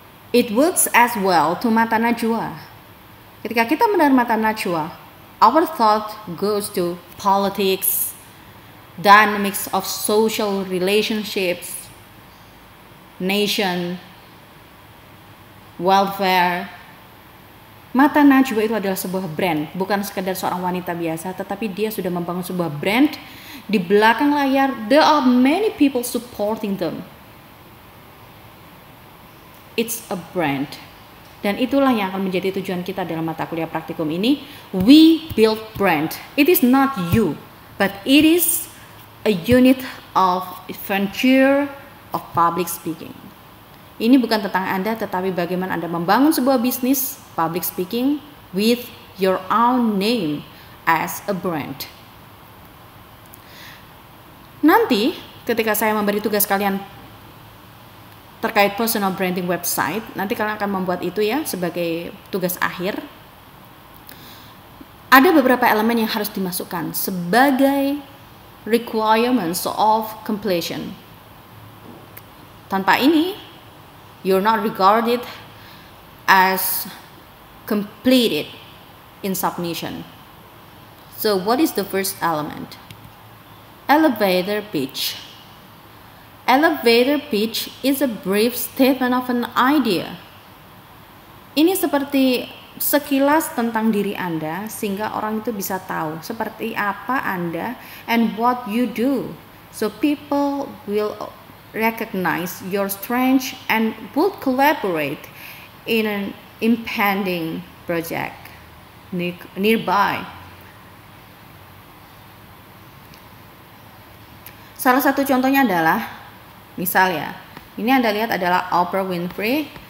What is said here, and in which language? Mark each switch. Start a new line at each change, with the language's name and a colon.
English: It works as well to Mata Najwa.
Indonesian: Ketika kita mendengar Mata Najwa,
English: our thought goes to politics, dynamics of social relationships, nation, welfare.
Indonesian: Mata Najwa itu adalah sebuah brand, bukan sekedar seorang wanita biasa, tetapi dia sudah membangun sebuah brand. Di belakang layar,
English: there are many people supporting them. It's a brand.
Indonesian: Dan itulah yang akan menjadi tujuan kita dalam mata kuliah praktikum ini.
English: We build brand. It is not you, but it is a unit of adventure of public speaking.
Indonesian: Ini bukan tentang Anda, tetapi bagaimana Anda membangun sebuah bisnis public speaking
English: with your own name as a brand.
Indonesian: Nanti ketika saya memberi tugas kalian terkait personal branding website, nanti kalian akan membuat itu ya sebagai tugas akhir. ada beberapa elemen yang harus dimasukkan sebagai
English: requirements of completion.
Indonesian: Tanpa ini, you're not regarded as completed in submission.
English: So what is the first element? Elevator pitch. Elevator pitch is a brief statement of an idea.
Indonesian: Ini seperti sekilas tentang diri Anda sehingga orang itu bisa tahu seperti apa Anda
English: and what you do. So people will recognize your strength and will collaborate in an impending project nearby.
Indonesian: Salah satu contohnya adalah, misal ya, ini Anda lihat adalah Oprah Winfrey.